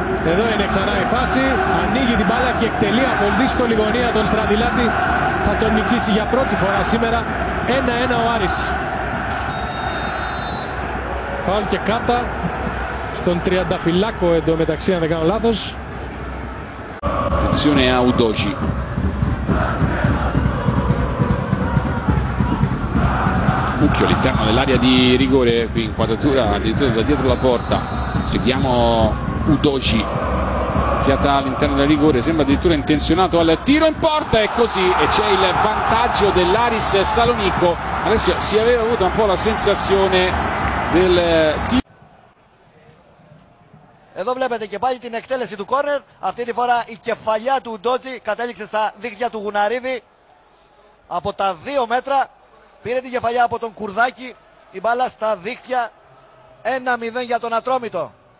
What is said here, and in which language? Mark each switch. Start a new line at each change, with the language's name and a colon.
Greek: Εδώ είναι ξανά η φάση, ανοίγει την μπάλα και εκτελεί από δύσκολη γωνία τον Στραντιλάτη. Θα τον νικήσει για πρώτη φορά σήμερα, 1-1 ο Άρης. Φάουλ και κάτα στον τριανταφυλάκο εντωμεταξύ, αν δεν κάνω λάθος.
Italian: Attenzione a Ουντότζι. Mucchio all'interno dell'area di rigore qui, inquadratura addirittura da dietro la porta. Seguiamo Ουντότζι. Fiata all'interno del rigore, sembra addirittura intenzionato al tiro in porta, e così, e c'è il vantaggio dell'Aris Salonico. Adesso si aveva avuto un po' la sensazione del tiro.
Greek: Εδώ βλέπετε και πάλι την εκτέλεση του corner. Αυτή τη φορά η κεφαλιά του Ουντότζι κατέληξε στα δίχτυα του Γουναρίδη από τα 2 μέτρα. Πήρε την κεφαλιά από τον Κουρδάκη, η μπάλα στα δίχτυα, 1-0 για τον Ατρόμητο.